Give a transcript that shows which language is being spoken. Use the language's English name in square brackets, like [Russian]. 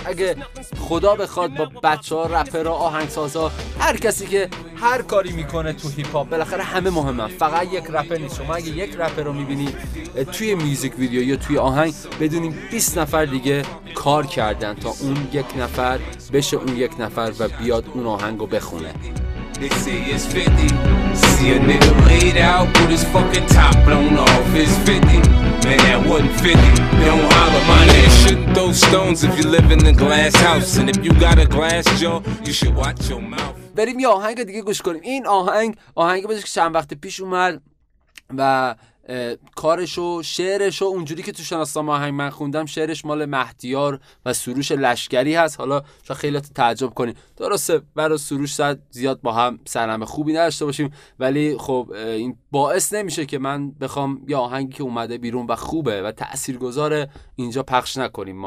[Persian] اگه خدا بخواد با بچه ها، رپر ها، آهنگساز ها، هر کسی که هر کاری میکنه تو هیپ هاپ، بالاخره همه مهمه، فقط یک رپر نیست. شما اگه یک رپر رو میبینی توی میوزیک ویدیو یا توی آهنگ، بدونیم 20 نفر دیگه کار کردن تا اون یک نفر بشه اون یک نفر و بیاد اون آهنگ رو بخونه. [English] They say it's 50. See a nigga laid out with his fucking top blown off. It's 50. Man, that wasn't 50. Don't holler my name. Shouldn't throw stones if you live in a glass house. And if you got a glass jaw, you should watch your mouth. [Persian] بریم یه آهنگ دیگه گوش کنیم. این آهنگ آهنگی بود که چند وقت پیش اومد و کارشو شعرشو اونجوری که تو شناسنامه آهنگ من خوندم شعرش مال مهدیار و سروش لشکری هست. حالا شما خیلیات تعجب کنین، درسته برای سروش صد زیاد با هم سلامه خوبی نداشته باشیم، ولی خب این باعث نمیشه که من بخوام یه آهنگی که اومده بیرون و خوبه و تاثیرگذاره اینجا پخش نکنیم.